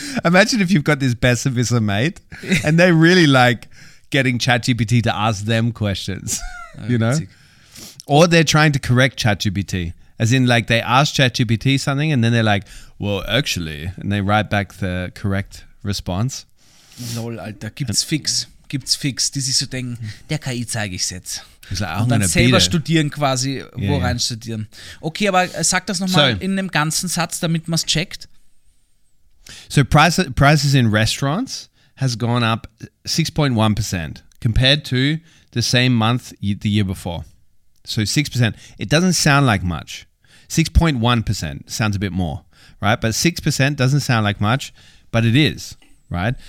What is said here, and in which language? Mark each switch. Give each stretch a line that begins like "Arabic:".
English: Imagine if you've got this best of his mate and they really like getting ChatGPT to ask them questions. You know? Or they're trying to correct ChatGPT, as in like they ask ChatGPT something and then they're like, well, actually, and they write back the correct response.
German: Lol, Alter, gibt's fix, die sich so denken, der KI zeige ich jetzt.
English: Like,
German: und dann selber studieren quasi, wo yeah, rein yeah. studieren. Okay, aber sag das nochmal so, in einem ganzen Satz, damit man es checkt.
English: So prices in restaurants has gone up 6.1% compared to the same month the year before. So 6%, it doesn't sound like much. 6.1% sounds a bit more, right? But 6% doesn't sound like much, but it is, right?